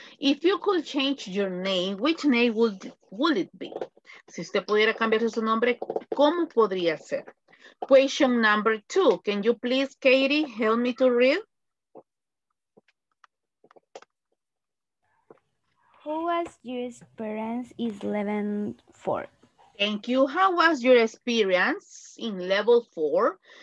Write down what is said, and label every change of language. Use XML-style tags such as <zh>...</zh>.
<en>If you could change your name, which name would it be?</en> <es>Si usted pudiera cambiar su nombre, ¿cómo podría ser?</es> <en>Question number 2. Can you please, Katie, help me to read? How was your experience in level 4? Thank you. How was your experience in level 4?</en>